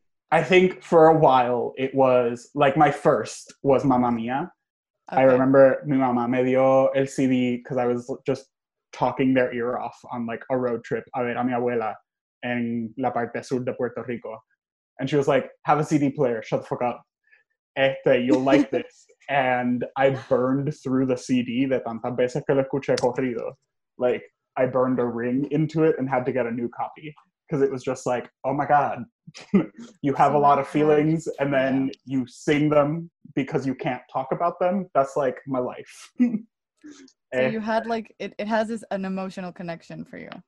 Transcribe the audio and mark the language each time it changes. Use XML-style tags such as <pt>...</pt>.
<en>I think for a while it was like my first was Mamma Mia. Okay. I remember</en> <es>mi mamá me dio el CD</es> <en>because I was just talking their ear off on like a road trip</en> <es>a ver a mi abuela en la parte sur de Puerto Rico.</es> <en>And she was like, have a CD player, shut the fuck up. You'll like this. And I burned through the CD</en> <es>de tantas veces que lo escuché corrido.</es> <en>Like, I burned a ring into it and had to get a new copy. Because it was just like, oh my God, you have a lot of feelings and then you sing them because you can't talk about them. That's like my life. So you had like, it has this, an emotional connection for you.</en>